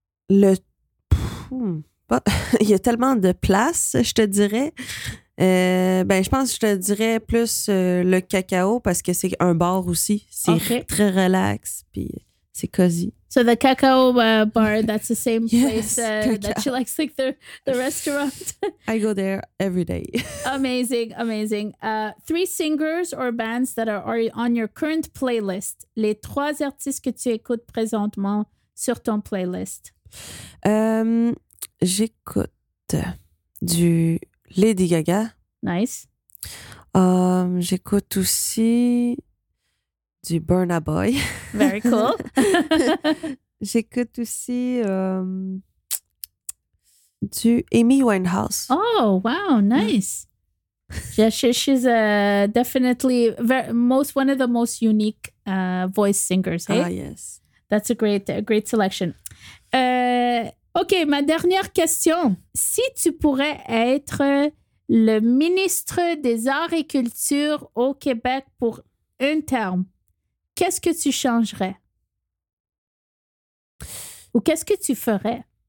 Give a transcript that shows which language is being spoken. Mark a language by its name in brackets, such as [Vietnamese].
[French] Il y a tellement de places, je te dirais. Je pense que je te dirais plus le cacao parce que c'est un bar aussi. C'est très relax. Puis c'est cosy. [English] So the cacao bar, that's the same place that she likes, like the restaurant. I go there every day. Amazing, amazing. Three singers or bands that are on your current playlist. [French] Les trois artistes que tu écoutes présentement sur ton playlist. J'écoute du Lady Gaga. [English] Nice. [French] J'écoute aussi du Burna Boy. [English] Very cool. [French] J'écoute aussi du Amy Winehouse. [English] Oh, wow, nice. Yeah, she's definitely one of the most unique voice singers. Hey? Ah, yes. That's a great selection. [French] OK, ma dernière question. Si tu pourrais être le ministre des Arts et Culture au Québec pour un terme, qu'est-ce que tu changerais? Ou qu'est-ce que tu ferais?